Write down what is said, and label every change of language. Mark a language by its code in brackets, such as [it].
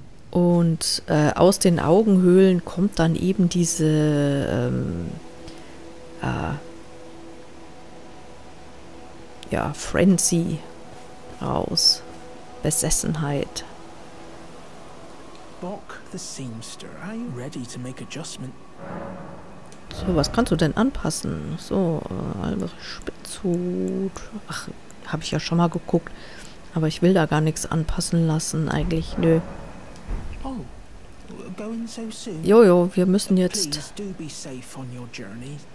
[de] Und aus den Augenhöhlen kommt dann eben diese Frenzy raus. Besessenheit. [en] Bock, the seamster, are you ready to make adjustment? [de] So, was kannst du denn anpassen? So, Albrecht Spitzhut. Ach, habe ich ja schon mal geguckt. Aber ich will da gar nichts anpassen lassen, eigentlich. Nö. [en] Oh, going so soon. [de] Jojo, wir müssen jetzt. [en] Please do be safe on your journey.